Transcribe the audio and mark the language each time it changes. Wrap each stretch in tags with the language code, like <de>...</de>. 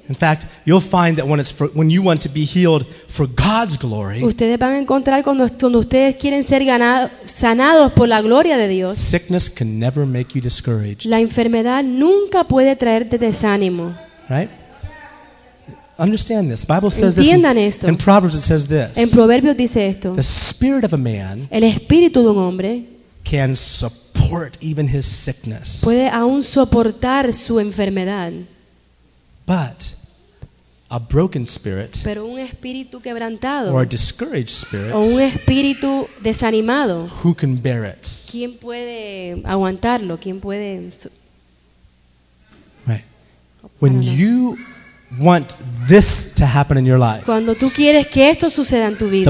<en>In fact, you'll find that when you want to be healed for God's glory,</en> <es>ustedes van a encontrar cuando ustedes quieren ser sanados por la gloria de Dios,</es> <en>sickness can never make you discouraged.</en> <es>La enfermedad nunca puede traerte desánimo.</es> <en>Right? understand this. The Bible says this. In Proverbs it says this.</en> <es>En Proverbios dice esto.</es> <en>The spirit of a man,</en> <es>el espíritu de un hombre,</es> <en>can support even his sickness.</en> <es>Puede aún soportar su enfermedad.</es> <en>But a broken spirit,</en> <es>pero un espíritu quebrantado,</es> <en>or a discouraged spirit,</en> <es>o un espíritu desanimado,</es> <en>who can bear it?</en> <es>¿Quién puede aguantarlo? ¿Quién puede?</es> <en>Right. When you want this to happen in your life,</en> <es>cuando tú quieres que esto suceda en tu vida,</es>